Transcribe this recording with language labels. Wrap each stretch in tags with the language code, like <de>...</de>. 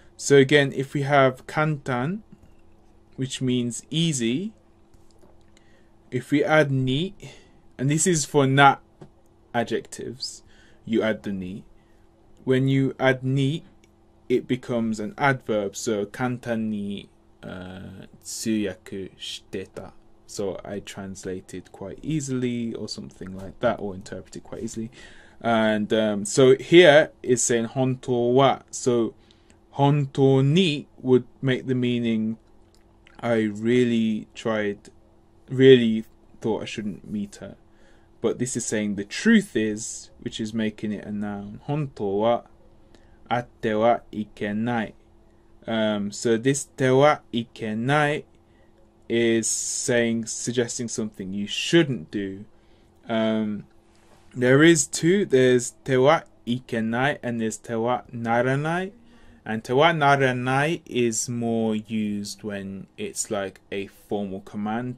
<en>So again, if we have 簡単, which means easy,If we add に, and this is for な adjectives, you add the に. When you add に, it becomes an adverb.</en> <ja>So, 簡単に通訳してた.</ja> <en>So, I translated quite easily or something like that, or interpreted quite easily. And、so, here is saying 本当は. So, 本当に would make the meaning I really tried... really thought I shouldn't meet her. But this is saying the truth is, which is making it a noun.</en> <ja>本当は、あってはいけない。</ja> <en>So this てはいけない is saying, suggesting something you shouldn't do. There is two. There's てはいけない and there's てはならない。 And てはならない is more used when it's like a formal command.</en>